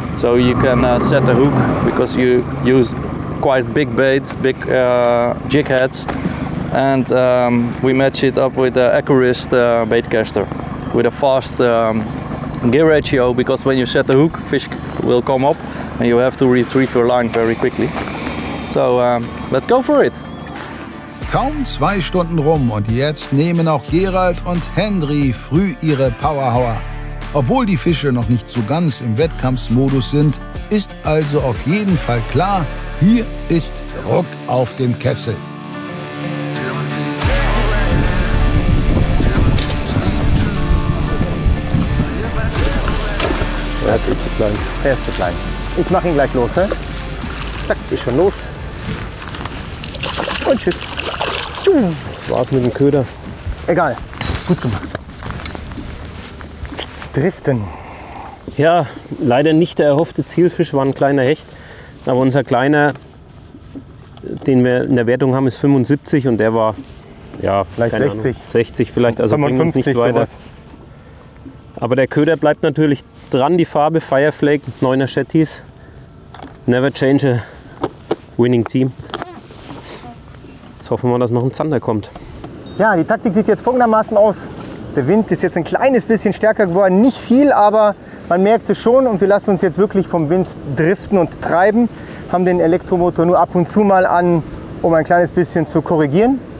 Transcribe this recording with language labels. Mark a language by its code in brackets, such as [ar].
[en] So you can set a hook because you use quite big baits, big jig heads, and we match it up with the Aquarist bait caster with a fast gear ratio, because when you set the hook, fish will come up and you have to retrieve your line very quickly. So let's go for it. [de] Kaum zwei Stunden rum und jetzt nehmen auch Gerald und Henry früh ihre Power Hour. Obwohl die Fische noch nicht so ganz im Wettkampfmodus sind, ist also auf jeden Fall klar, hier ist Druck auf dem Kessel. Er ist zu klein. Er ist zu klein. Ich mache ihn gleich los, ne? Zack, ist schon los. Und tschüss. Das war's mit dem Köder. Egal, gut gemacht. Driften. Ja, leider nicht der erhoffte Zielfisch, war ein kleiner Hecht. Aber unser kleiner, den wir in der Wertung haben, ist 75 und der war, ja, vielleicht 60. Ahnung, 60 vielleicht, also bringen wir uns nicht weiter. Sowas. Aber der Köder bleibt natürlich dran, die Farbe Fireflake, 9er Shetties. [en] Never change a winning team. [de] Jetzt hoffen wir, dass noch ein Zander kommt. Ja, die Taktik sieht jetzt folgendermaßen aus. Der Wind ist jetzt ein kleines bisschen stärker geworden, nicht viel, aber man merkt es schon und wir lassen uns jetzt wirklich vom Wind driften und treiben. Haben den Elektromotor nur ab und zu mal an, um ein kleines bisschen zu korrigieren.